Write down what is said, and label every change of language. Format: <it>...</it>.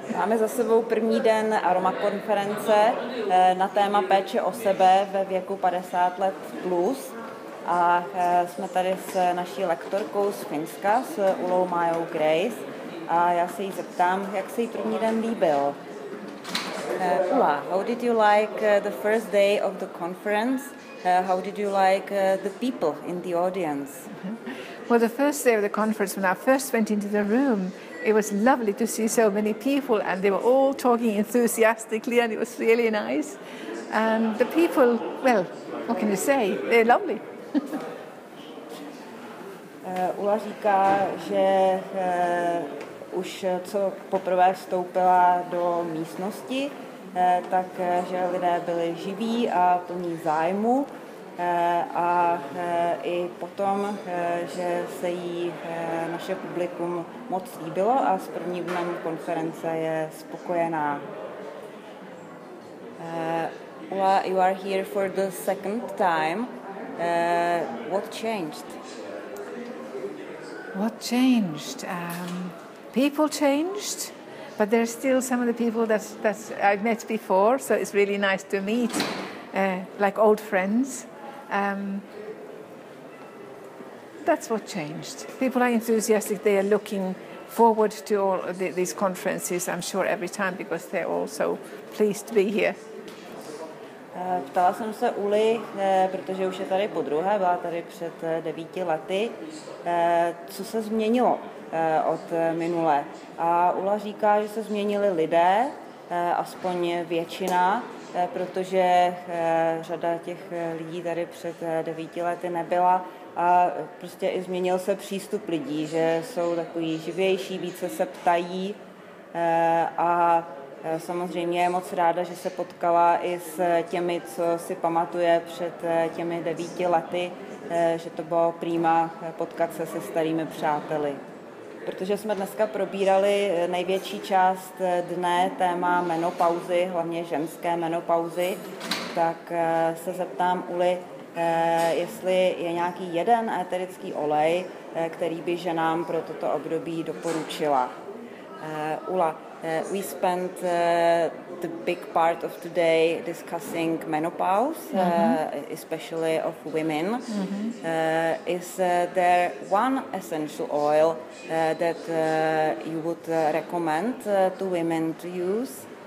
<cs>Máme za sebou první den aromakonference na téma péče o sebe ve věku 50 let plus. A jsme tady s naší lektorkou z Finska, s Ulou Majou Grace. A já se jí zeptám, jak se jí první den líbil.</cs> <en>Ula, how did you like the first day of the conference? How did you like the people in the audience? Well, the first day of the conference, when I first went into the room, it was lovely to see so many people, and they were all talking enthusiastically, and it was really nice. And the people, well, what can you say? They're lovely.</en> <cs>Ula říká, že už co poprvé vstoupila do místnosti, tak že lidé byli živí a plní zájmu. A i potom, že se jí naše publikum moc líbilo a s prvním dnem konference je spokojená.</cs> <en>Ula, you are here for the second time. What changed? What changed? People changed, but there are still some of the people that I've met before, so it's really nice to meet, like old friends. That's what changed. People are enthusiastic. They are looking forward to all these conferences, I'm sure, every time, because they're all so pleased to be here.</en> <cs>Ptala jsem se Uly, protože už je tady po druhé, byla tady před 9 lety, co se změnilo od minule. A Ula říká, že se změnili lidé, aspoň většina, protože řada těch lidí tady před 9 lety nebyla a prostě i změnil se přístup lidí, že jsou takový živější, více se ptají a samozřejmě je moc ráda, že se potkala i s těmi, co si pamatuje před těmi 9 lety, že to bylo prýma potkat se starými přáteli. Protože jsme dneska probírali největší část dne, téma menopauzy, hlavně ženské menopauzy, tak se zeptám Uly, jestli je nějaký jeden éterický olej, který by ženám pro toto období doporučila.</cs> <en>Ula, we spent the big part of today discussing menopause, mm-hmm. Especially of women. Mm-hmm. Is there one essential oil that you would recommend to women to use?</en>